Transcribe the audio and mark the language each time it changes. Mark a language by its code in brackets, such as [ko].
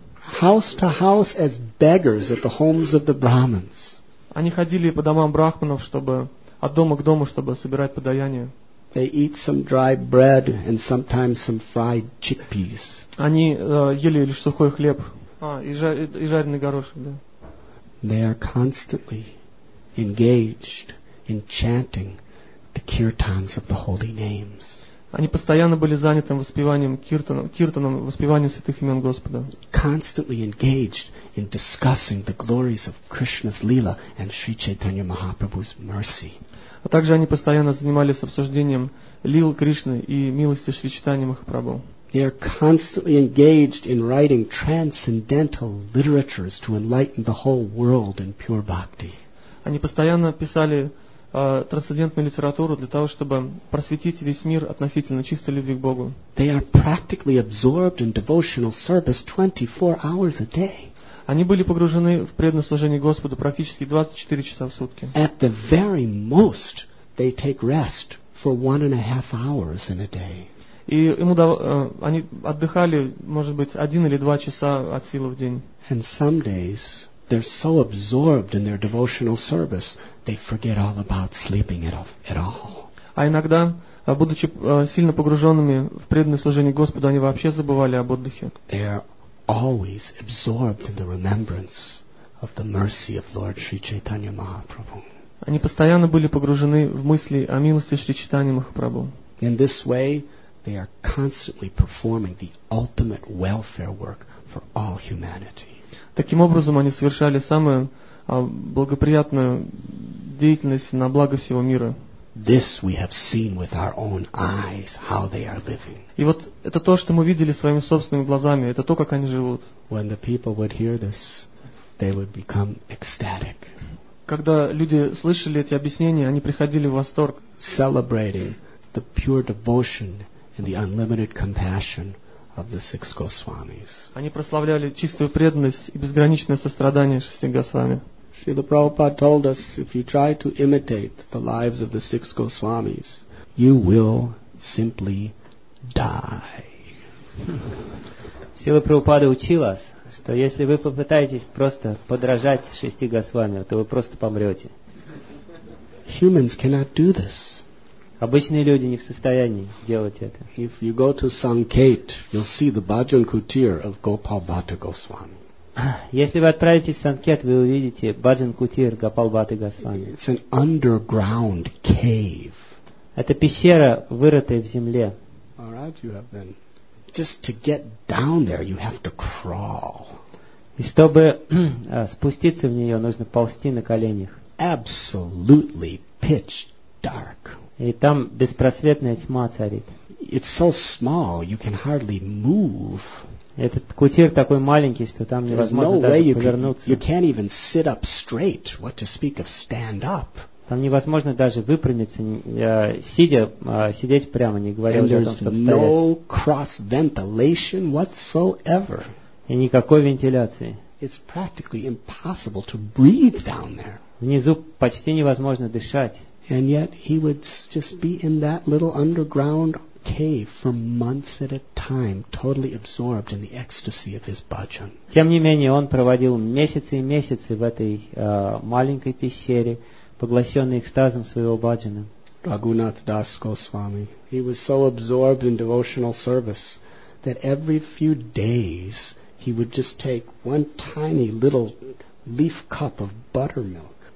[en] House to house as beggars at the homes of the brahmins. [ru] Они ходили по домам брахманов, чтобы от дома к дому, чтобы собирать подаяние. [en] They eat some dry bread and sometimes some fried chickpeas. [ru] Они ели лишь сухой хлеб. И жареный горошек, да. [en] They are constantly engaged in chanting the kirtans of the holy names. [ru] Они постоянно были заняты воспеванием киртаном, воспеванием святых имен Господа. [en] Constantly engaged in discussing the glories of Krishna's lila and Sri Chaitanya Mahaprabhu's mercy. [ru] А также они постоянно занимались обсуждением лил Кришны и милости Шри Чайтаньи Махапрабху. [en] They are constantly engaged in writing transcendental literatures to enlighten the whole world in pure bhakti. [ru] Они постоянно писали трансцендентную литературу для того, чтобы просветить весь мир относительно чистой любви к Богу. [en] They are practically absorbed in devotional service 24 hours a day. [ru] Они были погружены в преданное служение Господу практически 24 часа в сутки. [en] At the very most, they take rest for 1.5 hours in a day. [ru] И они отдыхали, может быть, 1 или 2 часа от силы в день. [en] And some days they're so absorbed in their devotional service they forget all about sleeping at all. [ru] А иногда, будучи сильно погруженными в преданное служение Господу, они вообще забывали об отдыхе. [en] They are always absorbed in the remembrance of the mercy of Lord Sri Chaitanya Mahaprabhu. [ru] Они постоянно были погружены в мысли о милости Шри Чайтаньи Махапрабху. [en] In this way, they are constantly performing the ultimate welfare work for all humanity. [ru] Таким образом, они совершали самую благоприятную деятельность на благо всего мира. [en] This we have seen with our own eyes how they are living. [ru] И вот это то, что мы видели своими собственными глазами, это то, как они живут. [en] When the people would hear this, they would become ecstatic. [ru] Когда люди слышали эти объяснения, они приходили в восторг. [en] Celebrating the pure devotion and the unlimited compassion of the six Goswamis. [ru] Они прославляли чистую преданность и безграничное сострадание шести Госвами. [en] Srila Prabhupada told us, if you try to imitate the lives of the six Goswamis, you will simply die. [ru] Сила Прабхупады учила вас, что если вы попытаетесь просто подражать шести госвами, то вы просто помрете. [en] Humans cannot do this. [ru] Обычные люди не в состоянии делать это. [en] If you go to Sanket, you'll see the Bhajan Kutir of Gopal Bhatta Goswami. [ru] Если вы отправитесь в Санкет, вы увидите Баджан Кутир Гапалбаты Госвами. [en] It's an underground cave. [ru] Это пещера, вырытая в земле. [en] All right, you have been. Just to get down there, you have to crawl. [ru] И чтобы спуститься в нее, нужно ползти на коленях. [en] Absolutely pitch dark. [ru] И там беспросветная тьма царит. [en] It's so small, you can hardly move. [ru] Этот кутир такой маленький, что там невозможно даже повернуться. [en] You can't even sit up straight, what to speak of stand up. [ru] Там невозможно даже выпрямиться, сидеть прямо, не говоря уже о том, чтобы стоять. [en] No cross ventilation whatsoever. [ru] И никакой вентиляции. [en] It's practically impossible to breathe down there. [ru] Внизу почти невозможно дышать. [en] And yet he would just be in that little underground cave for months at a time, totally absorbed in the ecstasy of his bhajan. [ru] Тем не менее, он проводил месяцы и месяцы в этой маленькой пещере, поглощенный экстазом своего бхаджана. [en] Raghunath Das Goswami, he was so absorbed in devotional service that every few days he would just take one tiny little leaf cup of buttermilk.